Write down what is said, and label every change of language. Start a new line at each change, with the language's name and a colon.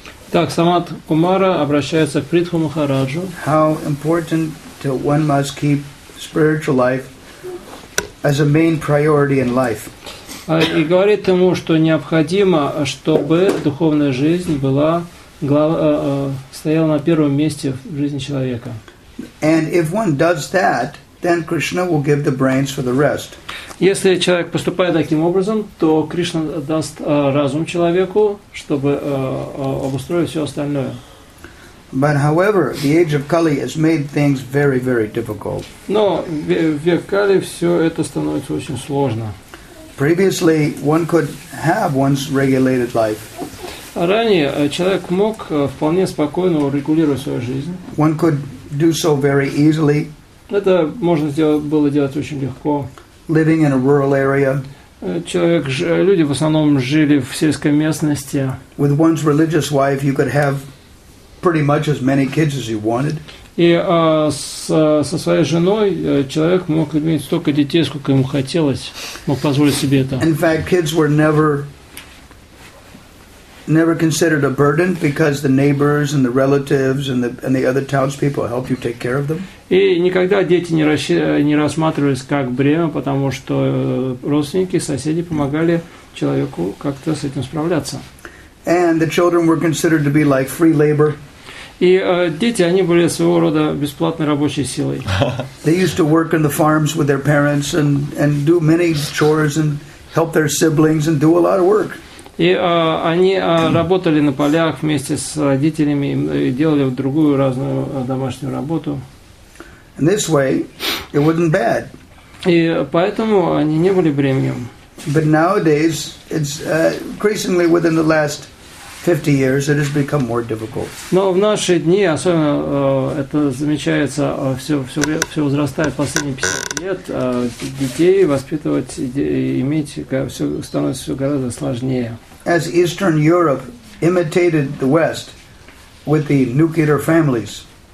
Russian: Так, Санат Кумара обращается к Притху Махараджу.
English: How important that one must keep spiritual life as a main priority in life.
Russian: И говорит ему, что необходимо, чтобы духовная жизнь была стояла на первом месте в жизни человека.
English: And if one does that, then Krishna will give the brains for the rest.
Russian: Если человек поступает таким образом, то Кришна даст разум человеку, чтобы обустроить все остальное.
English: But, however, the age of Kali has made things very, very difficult.
Russian: Но век Кали все это становится очень сложно.
English: Previously, one could have one's regulated life.
Russian: Ранее человек мог вполне спокойно урегулировать свою жизнь.
English: One could do so very easily.
Russian: Это можно было делать очень легко.
English: Living in a rural area.
Russian: Люди в основном жили в сельской местности.
English: With one's religious wife, you could have pretty much as many kids as he wanted.
Russian: И со своей женой человек мог иметь столько детей, сколько ему хотелось, мог позволить себе это.
English: In fact, kids were never considered a burden because the neighbors and the relatives and the other townspeople help you take care of them.
Russian: И никогда дети не рассматривались как бремя, потому что родственники, соседи помогали человеку как-то с этим справляться.
English: And the children were considered to be like free labor.
Russian: И дети, они были своего рода бесплатной рабочей силой.
English: They used to work on the farms with their parents and do many chores and help their siblings and do a lot of work.
Russian: И они работали на полях вместе с родителями и делали другую разную домашнюю работу.
English: In this way, it wasn't bad.
Russian: И поэтому они не были бременем.
English: But nowadays, it's increasingly within the last 50 years, it has become more difficult.
Russian: Но в наши дни, особенно это замечается, все возрастает в последние 50 лет, детей воспитывать, иметь, все становится все гораздо сложнее.
English: As Eastern Europe imitated the West with the nuclear families.